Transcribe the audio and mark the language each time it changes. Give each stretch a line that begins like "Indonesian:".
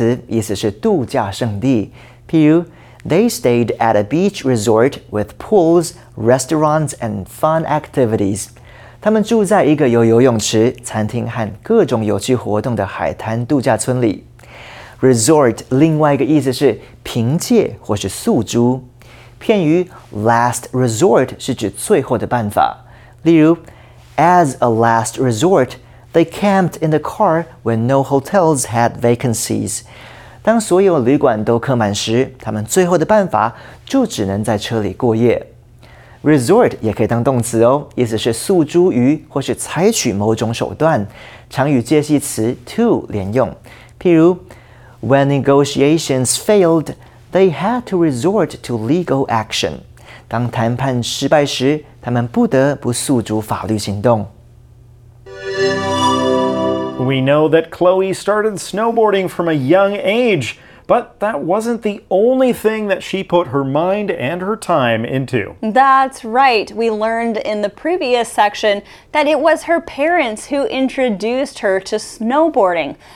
English: They stayed at a beach resort with pools, restaurants, and fun activities.
Chinese: 他们住在一个有游泳池、餐厅和各种有趣活动的海滩度假村里。 Resort 另外一个意思是凭借或是宿租。片语
English: last resort
Chinese: 是指最后的办法。例如
English: ,as a last resort,They camped in the car when no hotels had vacancies.
Chinese: 当所有旅馆都客满时，他们最后的办法就只能在车里过夜。 Resort 也可以当动词哦，意思是宿租于或是采取某种手段，常与介系词 to 连用。譬如
English: ，When negotiations failed, they had to resort to legal action.
Chinese: 当谈判失败时，他们不得不诉诸法律行动。
English: We know that Chloe started snowboarding from a young age, but that wasn't the only thing that she put her mind and her time into. That's right. We learned in the previous section that it was her parents who introduced her to snowboarding.